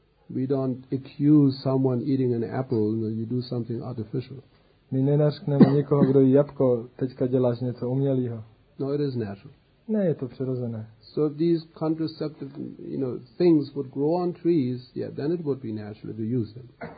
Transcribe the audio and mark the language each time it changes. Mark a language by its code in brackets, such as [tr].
[en] We don't accuse someone eating an apple, you do something artificial. [cs] My nenařkneme někoho, kdo jí jabko, teďka děláš něco umělýho. [en] No, it is natural. [cs] Ne, je to přirozené. [en] So if these contraceptive, you know, things would grow on trees, yeah, then it would be natural to use them.